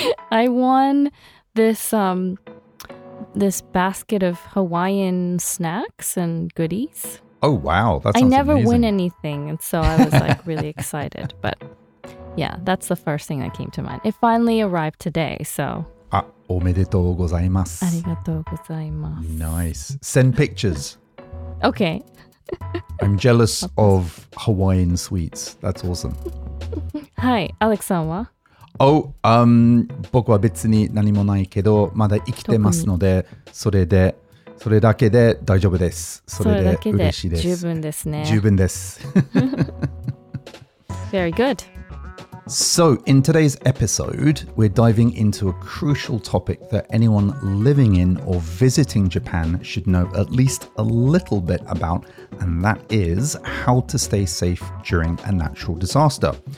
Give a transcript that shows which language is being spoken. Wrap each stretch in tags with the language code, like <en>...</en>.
<en>I won this basket of Hawaiian snacks and goodies. Oh, wow. That sounds amazing. I never win anything. And so I was like really excited. But yeah, that's the first thing that came to mind. It finally arrived today. So.</en> <ja>Ah, おめでとうございます。ありがとうございます。</ja> <en>Nice. Send pictures. Okay. I'm jealous of Hawaiian sweets. That's awesome. Hi,</en> <ja>Alex さんは? Oh, 僕は別に何もないけど、まだ生きてますので、それだけで大丈夫です。それだけで嬉しいです。十分ですね。十分です。</ja> <en>Very good. So, in today's episode, we're diving into a crucial topic that anyone living in or visiting Japan should know at least a little bit about, and that is how to stay safe during a natural disaster.</en>